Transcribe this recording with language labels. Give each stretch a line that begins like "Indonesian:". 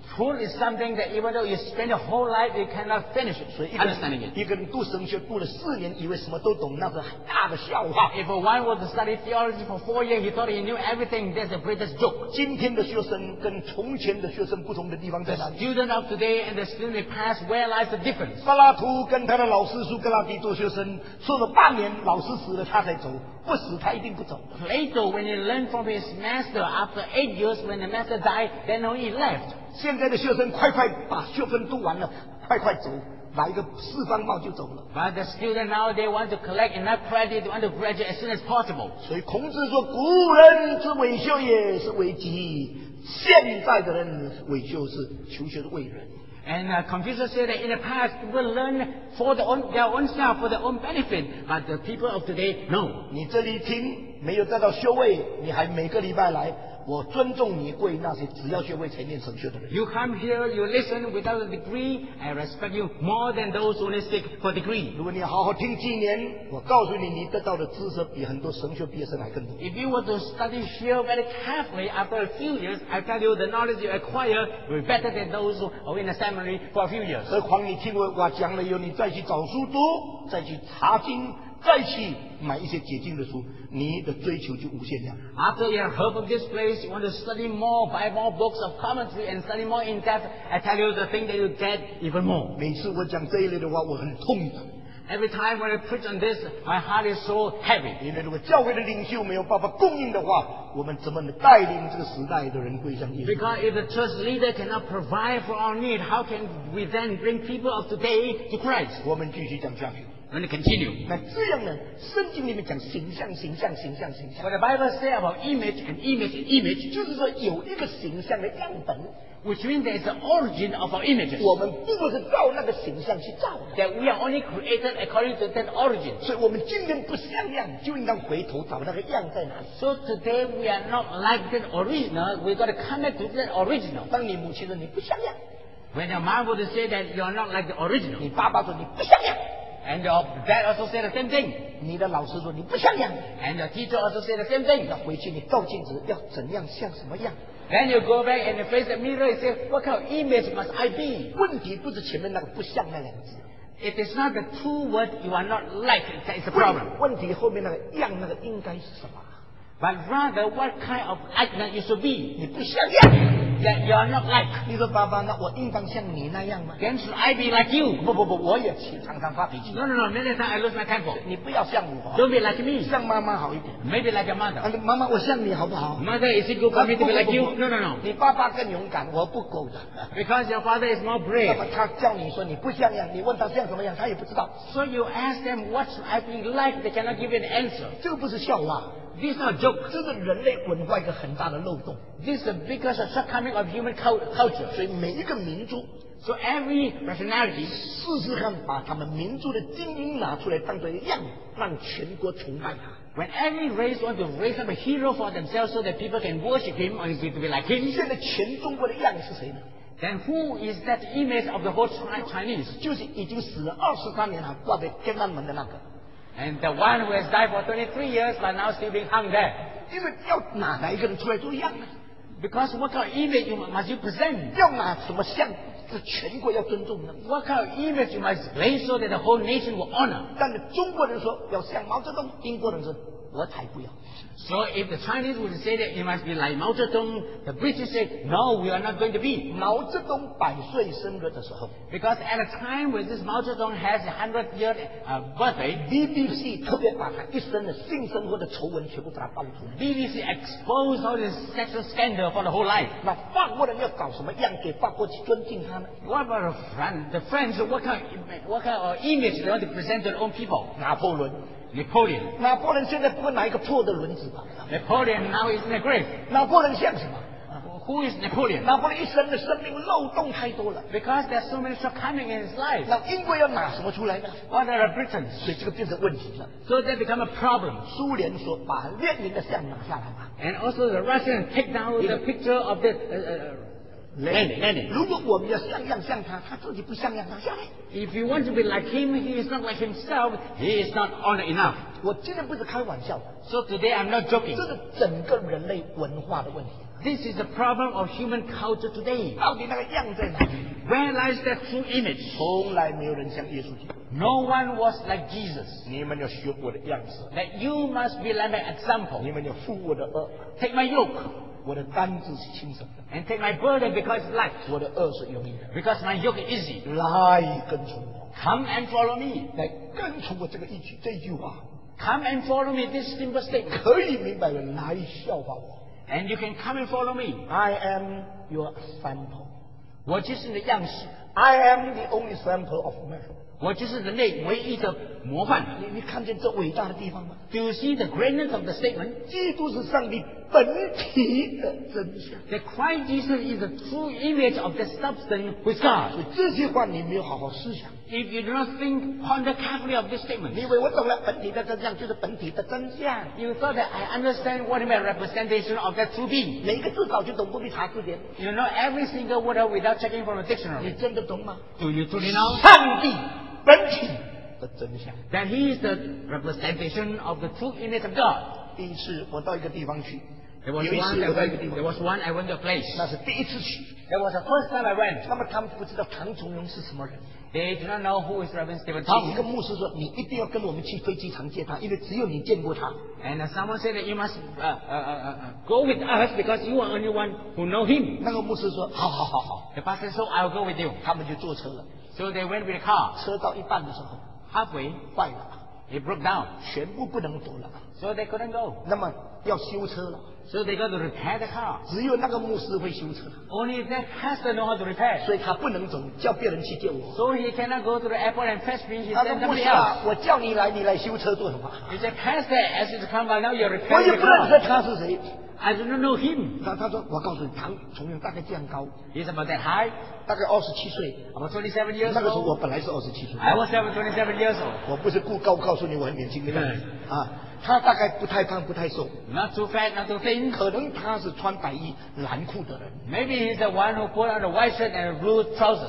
English: Truth is something that even though you spend your whole life, you cannot finish it. Understanding it.
Chinese: 一个人读神学读了四年，以为什么都懂，那是大的笑话。
English: If one was to study theology for 4 years, he thought he knew everything. That's the greatest joke.
Chinese: 今天的学生跟从前的学生不同的地方在哪里
English: ？The student of today and the student of past, where lies the difference?
Chinese: 柏拉图跟他的老师苏格拉底做学生，做了半年，老师死了，他才走。不死他一定不走。
English: Plato, when he learned from his master, after 8 years, when the master died, then he left.
Chinese: 现在的学生快快把学分读完了，快快走，拿一个四方帽就走了。
English: But the student nowadays want to collect enough credit, want to graduate as soon as possible.
Chinese: 所以孔子说，古人之伪修也是伪己，现在的人伪修是求学的伪人。
English: And Confucius said that in the past people learned for their own self, for their own benefit. But the people of today, no.
Chinese: 你这里听没有得到修为，你还每个礼拜来，我尊重你贵那些只要学会才念神学的人。
English: You come here, you listen without a degree, I respect you more than those who only seek for degree.
Chinese: 如果你好好听几年，我告诉你，你得到的知识比很多神学毕业生还更多。
English: If you were to study here very carefully after a few years, I tell you the knowledge you acquire will be better than those who are in the seminary for a few years.
Chinese: 何况你听我讲了以后，你再去找书读，再去查经。再去买一些解经的书，你的追求就无限量。
English: After you have heard from this place, you want to study more, buy more books of commentary and study more in depth. I tell you the thing that you get even more.
Chinese: 每次我讲这一类的话，我很痛的。
English: Every time when I preach on this, my heart is so heavy.
Chinese: 因为如果教会的领袖没有办法供应的话，我们怎么带领这个时代的人归向耶稣？
English: Because if the church leader cannot provide for our need, how can we then bring people of today to Christ?
Chinese: 我们继续讲下去。
English: And continue.
Chinese: 那这样呢？圣经里面讲形象，形象，形象，形象。
English: But the Bible says about image and image and image.
Chinese: 就是说有一个形象的样本。
English: Which means there is the origin of our images.
Chinese: 我们不是照那个形象去造的。
English: That we are only created according to that origin.
Chinese: 所以我们今天不像样，就应当回头找那个样在哪里。
English: So today we are not like that original. We got to come back to that original.
Chinese: 当你母亲说你不像样。
English: When your mom would say that you are not like the original.
Chinese: 你爸爸说你不像样。
English: And your dad also said the same thing.
Chinese: 你的老师说你不像样。
English: And your teacher also said the same thing.
Chinese: 要回去你照镜子，要怎样像什么样。
English: Then you go back and you face the mirror and say, what kind of image must I be?
Chinese: 问题不是前面那个不像那两个字。
English: It is not the two words you are not like that is the problem.
Chinese: 问题后面那个样那个应该是什么。
English: But rather, what kind of likeness you should be?
Chinese: 你不像样。
English: That you are not like.
Chinese: 你说爸爸，那我应当像你那样吗？
English: Then should I be like you?
Chinese: 不不不，我也常常发脾气。
English: No, many times I lose my temper.
Chinese: 你不要像我。
English: Don't be like me.
Chinese: 像妈妈好一点。
English: Maybe like your mother.
Chinese: 妈妈，我像你好不好？
English: Mother, is it good for me to be like you? No.
Chinese: 你爸爸更勇敢，我不够的。
English: Because your father is more brave.
Chinese: 那么他叫你说你不像样，你问他像什么样，他也不知道。
English: So you ask them what should I be like, they cannot give you an answer.
Chinese: 这不是笑话。
English: This is not a joke.
Chinese: 这是人类文化一个很大的漏洞。
English: This is the biggest shortcoming of human culture.
Chinese: 所以每一个民族
English: So every nationality
Chinese: 试试看把他们民族的精英拿出来当作样让全国崇拜他。
English: When every race wants to raise up a hero for themselves so that people can worship him or is it to be like him?
Chinese: 现在全中国的样是谁呢？
English: Then who is that image of the whole Chinese?
Chinese: 就是已经死了23年还挂在天安门的那个。
English: And the one who has died for 23 years but now still being hung there.
Chinese: 因为要哪来一个人出来都一样呢？
English: Because what kind of image you must you present?
Chinese: 要哪什么像是全国要尊重的？
English: What kind of image you must lay so that the whole nation will honor?
Chinese: 但是中国人说要像毛泽东，英国人说我才不要。
English: So if the Chinese would say that it must be like Mao Zedong, the British say, no, we are not going to be.
Chinese: 毛泽东百岁生日的时候
English: Because at a time when this Mao Zedong has a 100th year birthday,
Chinese: BBC 特别把他一生的性生活的丑闻全部把他爆出来
English: BBC exposed all this sexual scandal for the whole life.
Chinese: 那法国人要搞什么样给法国去尊敬他呢
English: What about the French, what kind of image they want to present to their own people?
Chinese: 拿破仑
English: Napoleon.
Chinese: 拿破仑现在不会拿一个破的轮子吧
English: Napoleon now is in a grave.
Chinese: 拿破仑像什么
English: Who is Napoleon?
Chinese: 拿破仑一生的生命漏洞太多了。
English: Because there are so many shortcomings in his life.
Chinese: 那英国要拿什么出来呢？
English: What are the Britons?
Chinese: 所以这个变成问题了。
English: So that become a problem.
Chinese: 苏联说把列宁的像拿下来吧。
English: And also the Russians take down the picture of the Lenin.
Chinese: 如果我们要像样像他，他自己不像样，拿下来。
English: If you want to be like him, he is not like himself. He is not honored enough.
Chinese: 我今天不是开玩笑。
English: So today I'm not joking.
Chinese: 这是整个人类文化的问题。
English: This is the problem of human culture today.
Chinese: 到底那个样在哪里？
English: Where lies that true image?
Chinese: 从来没有人像耶稣基督。
English: No one was like Jesus.
Chinese: 你们要学我的样子。
English: That you must be like my example.
Chinese: 你们要负我的轭。
English: Take my yoke.
Chinese: 我的担子是轻松的。
English: And take my burden because it's light.
Chinese: 我的轭是容易的。
English: Because my yoke is easy.
Chinese: 来跟从我。
English: Come and follow me.
Chinese: 来跟从我这个一句这句话。
English: Come and follow me. This simple statement.
Chinese: 可以明白的来效法我。
English: And you can come and follow me. I am your sample.
Chinese: 我就是你的样式。
English: I am the only sample of man.
Chinese: 我就是人类唯一的模范。你看见这伟大的地方吗？
English: Do you see the greatness of the statement?
Chinese: 基督是上帝本体的真相。
English: That Christ Jesus is the true image of the substance with God.
Chinese: 这些话你没有好好思想。
English: If you do not think ponder carefully of this statement,
Chinese: 你以为我懂了本体的真相就是本体的真相。
English: You thought that I understand what is my representation of that true being.
Chinese: 每一个字早就懂，不必查字典。
English: You know every single word without checking from a dictionary.
Chinese: 你真的懂吗？
English: Do you truly know?
Chinese: 上帝本体的真相。
English: That he is the representation of the true image of God.
Chinese: 第一次我到一个地方去。
English: There was one I went to a place.
Chinese: 那是第一次去。
English: That was the first time I went.
Chinese: 那么他们不知道唐崇荣是什么人。
English: They do not know who is Reverend Stephen Tong.
Chinese: 一个牧师说，你一定要跟我们去飞机场见他，因为只有你见过他。
English: And someone said that you must go with us because you are the only one who know him.
Chinese: 那个牧师说，好好好好。
English: The pastor said, I'll go with you.
Chinese: 他们就坐车了。
English: So they went with the car.
Chinese: 车到一半的时候
English: ，halfway
Chinese: 坏了
English: ，it broke down，
Chinese: 全部不能走了。
English: So they couldn't go.
Chinese: 那么要修车了。
English: So they got to repair the car.
Chinese: 只有那个牧师会修车。
English: Only that pastor know how to repair.
Chinese: 所以他不能走，叫别人去接我。
English: So he cannot go to the airport and fetch me.
Chinese: 他说牧师啊，我叫你来，你来修车做什么？
English: You say pastor as it come by now you repair.
Chinese: 我也不认识他是谁。
English: I do not know him.
Chinese: 他说我告诉你，唐崇荣大概这样高。
English: He's about that high.
Chinese: 大概27岁。
English: About 27 years old.
Chinese: 那个时候我本来是27岁。
English: I was 27 years old.
Chinese: 我不是故高告诉你我很年轻的。他大概不太胖不太瘦
English: not too fat, not too thin.
Chinese: 可能他是穿白衣蓝裤的人
English: Maybe he's the one who put on a white shirt and blue trousers.